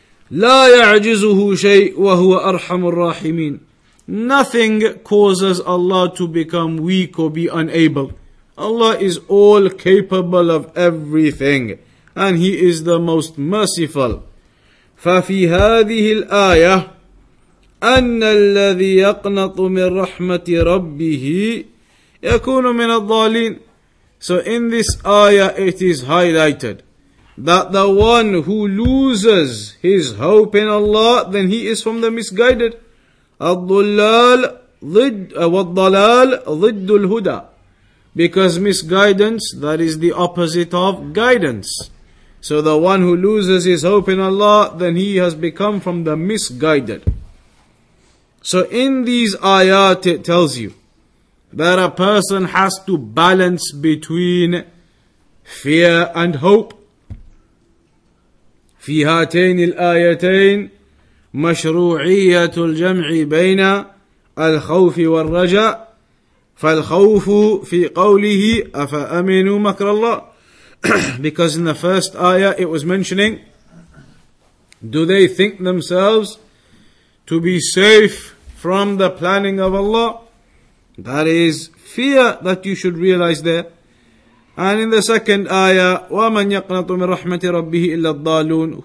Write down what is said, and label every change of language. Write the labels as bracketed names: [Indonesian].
[Arabic] لا يعجزه شيء وهو أرحم الراحمين. [English] Nothing causes Allah to become weak or be unable. Allah is all capable of everything, and He is the most merciful. [Arabic] ففي هذه الآية أن الذي يقنط من رحمة ربه يكون من الضالين. [English] So in this ayah it is highlighted that the one who loses his hope in Allah, then he is from the misguided. [Arabic] وَالضَّلَالُ ضِدُّ الْهُدَى, [English] because misguidance, that is the opposite of guidance. So the one who loses his hope in Allah, then he has become from the misguided. So in these ayat, it tells you that a person has to balance between fear and hope. [Arabic] في هاتين الآيتين مشروعية الجمع بين الخوف والرجاء, فالخوف في قوله أفأمنوا مكر الله. [English] Because in the first ayah it was mentioning, do they think themselves to be safe from the planning of Allah? That is fear that you should realize there. And in the second ayah, [Arabic] وَمَنْ يَقْنَطُ مِنْ رَحْمَةِ رَبِّهِ إِلَّا الضَّالُونَ.